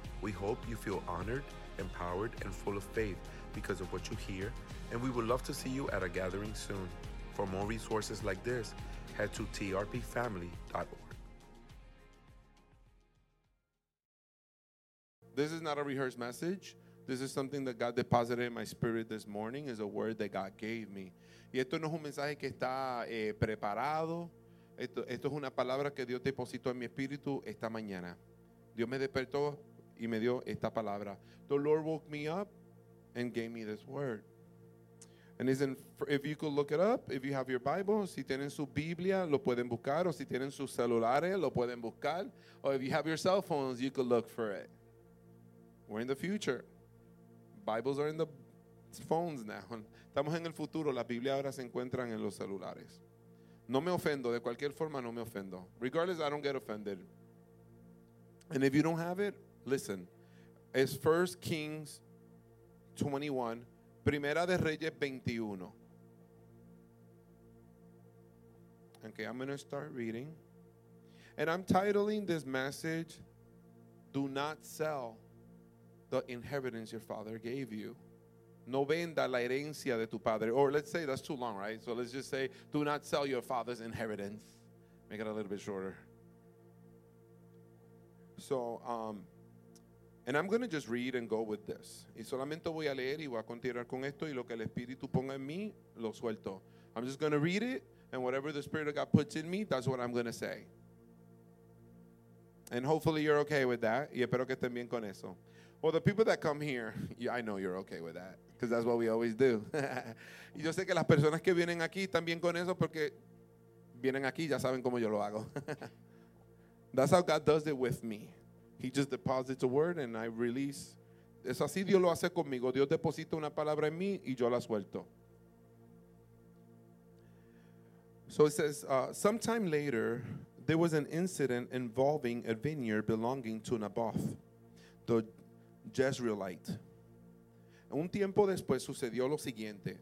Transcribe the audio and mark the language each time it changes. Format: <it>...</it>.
<en>We hope you feel honored, empowered, and full of faith because of what you hear, and we would love to see you at a gathering soon. For more resources like this, head to trpfamily.org. This is not a rehearsed message. This is something that God deposited in my spirit this morning, is a word that God gave me.</en> <es>Y esto no es un mensaje que está preparado. Esto es una palabra que Dios depositó en mi espíritu esta mañana. Dios me despertó y me dio esta palabra.</es> <en>The Lord woke me up and gave me this word. And isn't, if you could look it up, if you have your Bible,</en> <es>si tienen su Biblia, lo pueden buscar.</es> <en>O si tienen sus celulares, lo pueden buscar. Or if you have your cell phones, you could look for it. We're in the future. Bibles are in the phones now.</en> <es>Estamos en el futuro. Las Biblias ahora se encuentran en los celulares. No me ofendo. De cualquier forma, no me ofendo.</es> <en>Regardless, I don't get offended. And if you don't have it, listen. It's 1 Kings 21, Primera de Reyes 21. Okay, I'm going to start reading. And I'm titling this message, Do Not Sell the Inheritance Your Father Gave You.</en> <es>No venda la herencia de tu padre.</es> <en>Or let's say that's too long, right? So let's just say, do not sell your father's inheritance. Make it a little bit shorter. So, and I'm going to just read and go with this.</en> <es>Y solamente voy a leer y voy a continuar con esto. Y lo que el Espíritu ponga en mí, lo suelto.</es> <en>I'm just going to read it. And whatever the Spirit of God puts in me, that's what I'm going to say. And hopefully you're okay with that.</en> <es>Y espero que estén bien con eso.</es> <en>Well, the people that come here, yeah, I know you're okay with that. Because that's what we always do.</en> <es>Y yo sé que las personas que vienen aquí están bien con eso porque vienen aquí ya saben cómo yo lo hago.</es> <en>That's how God does it with me. He just deposits a word and I release.</en> <es>Es así Dios lo hace conmigo. Dios deposita una palabra en mí y yo la suelto.</es> <en>So it says, sometime later, there was an incident involving a vineyard belonging to Naboth, the Jezreelite.</en> <es>Un tiempo después sucedió lo siguiente.</es>